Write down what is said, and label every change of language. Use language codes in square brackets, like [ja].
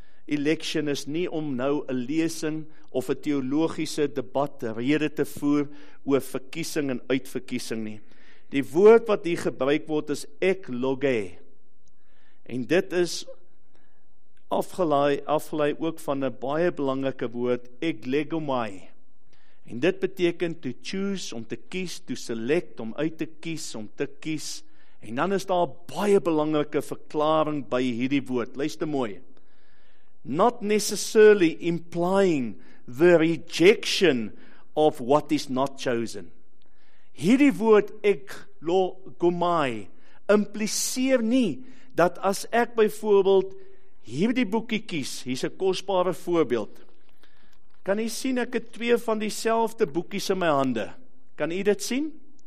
[af] election is nie om nou 'n lesing of 'n teologiese debat rede te voer oor verkiesing en uitverkiesing nie. Die woord wat hier gebruik word is ekloge. En dit is afgelei ook van 'n baie belangrike woord eklegomai. En dit beteken [en] to choose, [af] om te kies, [en] to select, [af] om uit te kies, om te kies. En dan is daar baie belangrike verklaring by hierdie woord. Luister mooi. [en] Not necessarily implying the rejection of what is not chosen. [af] Hierdie woord eklogomai impliseer nie dat as ek byvoorbeeld hierdie boekie kies, hier's 'n kosbare voorbeeld. Kan jy sien ek het twee van dieselfde boekies in my hande? Kan jy dit sien?